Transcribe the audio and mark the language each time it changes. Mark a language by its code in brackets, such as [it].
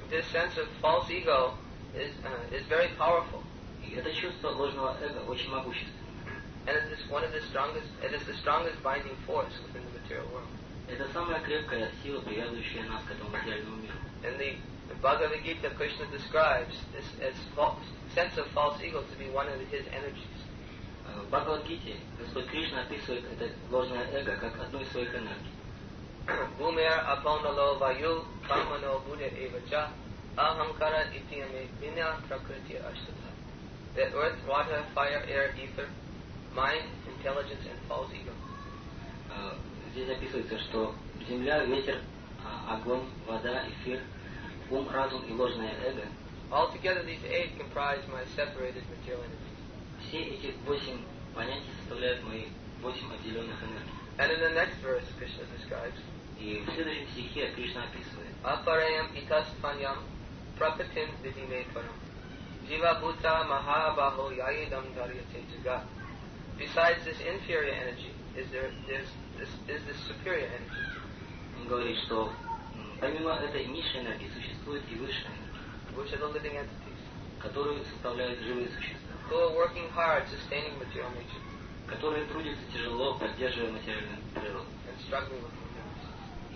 [en] This sense of false ego is very powerful. [ru] И это чувство ложного эго очень могущественно. [en] And it is one of the strongest. It is the strongest binding force within the material world. [ru] Это самая крепкая сила, привязывающая нас к этому материальному миру. [en] And the Bhagavad Gita, Krishna describes this as false sense of false ego to be one of his energies. [ru] В Бхагавад-гите Господь Кришна описывает это ложное эго как одну из своих энергий. [sa] Бумер апонало ваю кармано буде эвача ахамкара итиаме виня пракрити аштата. [en] That earth, water, fire, air, ether, mind, intelligence and false ego. [ru] Здесь описывается, что земля, ветер, огонь, вода, эфир, ум, разум и ложное эго. [en] Altogether these eight comprise my separated material energy. [ru] Все эти восемь понятий составляют мои восемь отделенных энергий. [en] And in the next verse, Krishna describes. [ru] И в следующем стихе Кришна описывает. [sa] Апараям итас паньям пракатин видиме парам. Жива бута маха бахо яйдам дарьяте джага. [en] Besides this inferior energy, is this superior energy. [ru] Он говорит, что помимо этой низшей энергии существует и высшая энергия. [en] Which are the living entities. [ru] Которую составляют живые существа. [en] Who are working hard, sustaining material nature. [ru] Которые трудятся тяжело, поддерживая материальную природу. [en] And struggling with the universe.